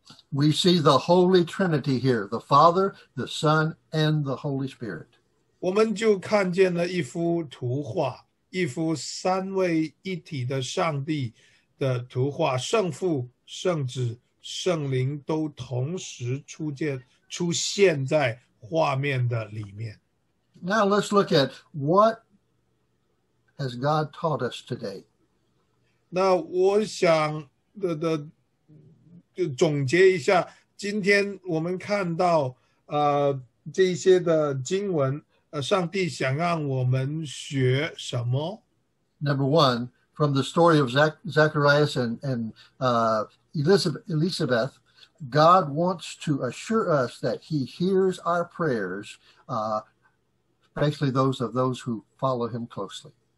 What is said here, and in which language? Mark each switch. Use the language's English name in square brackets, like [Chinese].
[English] We see the Holy Trinity here, the Father, the Son, and the Holy Spirit. [Chinese] 我们就看见了一幅图画，一幅三位一体的上帝的图画，圣父、圣子、圣灵都同时出现在画面的里面。 [English] Now let's look at what has God taught us today. [Chinese] 那我想的总结一下，今天我们看到这些的经文，上帝想让我们学什么？ [English] Number one, from the story of Zacharias and Elizabeth, God wants to assure us that He hears our prayers. Especially those of those who follow him closely.